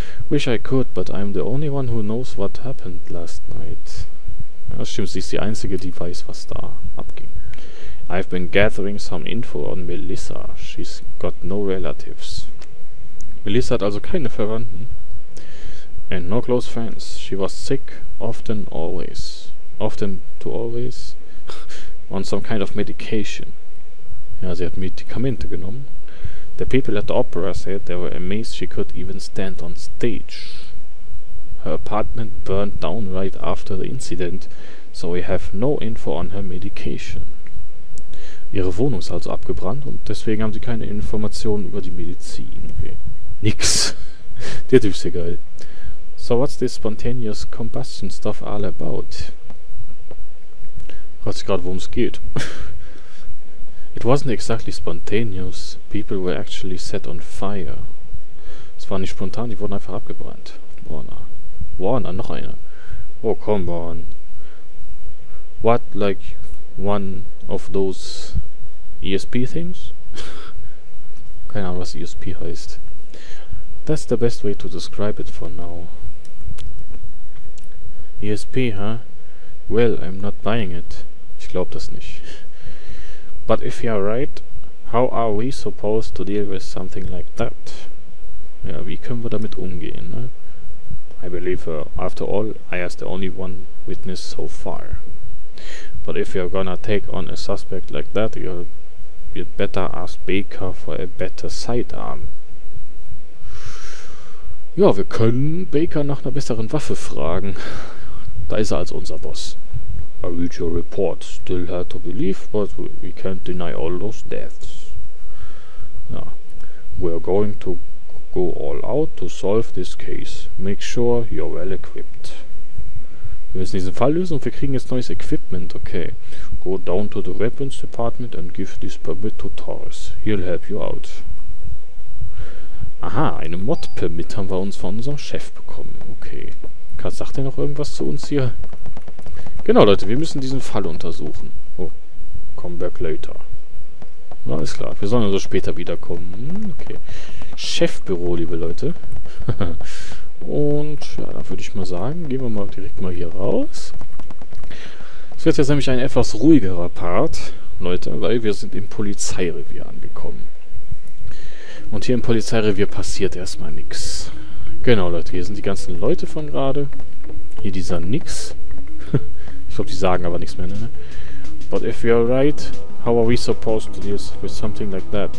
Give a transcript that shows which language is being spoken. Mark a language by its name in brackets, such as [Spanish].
[English] Wish I could, but I'm the only one who knows what happened last night. [German] Ja, das stimmt, sie ist die Einzige, die weiß, was da abging. [English] I've been gathering some info on Melissa. She's got no relatives. [German] Melissa hat also keine Verwandten. [English] And no close friends. She was sick, often, always. Often to always. On some kind of medication. [German] Ja, sie hat Medikamente genommen. [English] The people at the opera said they were amazed she could even stand on stage. Her apartment burned down right after the incident, so we have no info on her medication. [German] Ihre Wohnung ist also abgebrannt und deswegen haben sie keine Informationen über die Medizin. Okay. Nix. Der Typ ist ja geil. [English] So what's this spontaneous combustion stuff all about? [German] Ich weiß gerade, worum es geht. [English] It wasn't exactly spontaneous. People were actually set on fire. [German] Es war nicht spontan, die wurden einfach abgebrannt. [English] Warner, [German] noch einer. [English] Oh, come on. What, like, one of those ESP things? [German] Keine Ahnung, was ESP heißt. [English] That's the best way to describe it for now. ESP, huh? Well, I'm not buying it. [German] Ich glaube das nicht. [English] But if you are right, how are we supposed to deal with something like that? [German] Ja, wie können wir damit umgehen, ne? [English] I believe, after all, I am the only one witness so far. But if you're gonna take on a suspect like that, you'd better ask Baker for a better sidearm. [German] Ja, wir können Baker nach einer besseren Waffe fragen. Da ist er als unser Boss. [English] I read your report. Still hard to believe, but we can't deny all those deaths. Ja. We are going to go all out to solve this case. Make sure you're well equipped. [German] Wir müssen diesen Fall lösen und wir kriegen jetzt neues Equipment, okay. [English] Go down to the weapons department and give this permit to Torres. He'll help you out. [German] Aha, eine Mod-Permit haben wir uns von unserem Chef bekommen. Okay. Sagt er noch irgendwas zu uns hier? Genau, Leute, wir müssen diesen Fall untersuchen. [English] Oh, come back later. [German] Na, ist klar. Wir sollen also später wiederkommen. Okay. Chefbüro, liebe Leute. Und ja, da würde ich mal sagen, gehen wir mal direkt mal hier raus. Es wird jetzt nämlich ein etwas ruhigerer Part, Leute, weil wir sind im Polizeirevier angekommen. Und hier im Polizeirevier passiert erstmal nichts. Genau, Leute, hier sind die ganzen Leute von gerade. Hier dieser Nix. Ich glaube, die sagen aber nichts mehr, ne? [English] But if we are right, how are we supposed to deal with something like that?